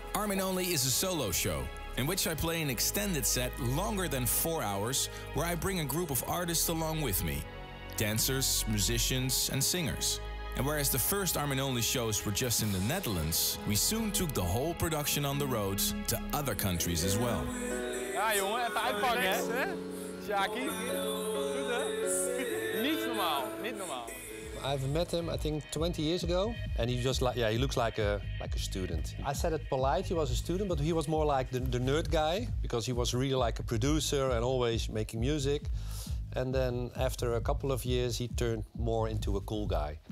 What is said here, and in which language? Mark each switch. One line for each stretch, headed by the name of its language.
English: Armin Only is a solo show, in which I play an extended set longer than 4 hours, where I bring a group of artists along with me. Dancers, musicians, and singers. And whereas the first Armin Only shows were just in the Netherlands, we soon took the whole production on the road to other countries as well.
Dutch: Ah, jongen, even uitpakken, hè? Sjaki. Goed, hè? Niet normaal, niet normaal.
English: I've met him, I think, 20 years ago, and he just like, yeah, he looks like a student. I said it polite, he was a student, but he was more like the nerd guy, because he was really like a producer and always making music. And then after a couple of years, he turned more into a cool guy.